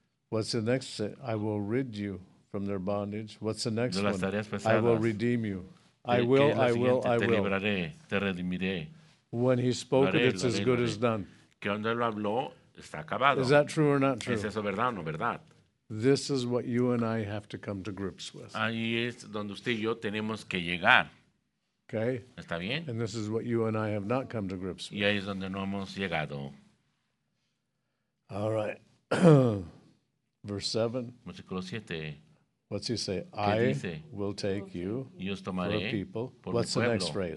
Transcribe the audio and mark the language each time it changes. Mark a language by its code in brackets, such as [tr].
[en] What's the next? Say? I will rid you from their bondage. What's the next [es] de las [en] one? [es] Pesadas. [en] I will redeem you. I will, I will, I will. [es] Te libraré, te redimiré. [en] When he spoke it, it's as good as done. [es] Que donde lo habló, está acabado. [en] Is that true or not true? [es] ¿Es eso verdad o no verdad? [en] This is what you and I have to come to grips with. [es] Ahí es donde usted y yo tenemos que llegar. [en] Okay. [es] ¿Está bien? [en] And this is what you and I have not come to grips with. [es] Y ahí es donde no hemos llegado. [en] All right. Verse 7. [es] Versículo 7. [en] What's he say? I will take you for a people. [es] Por [en] What's [es] pueblo, [en] the next phrase?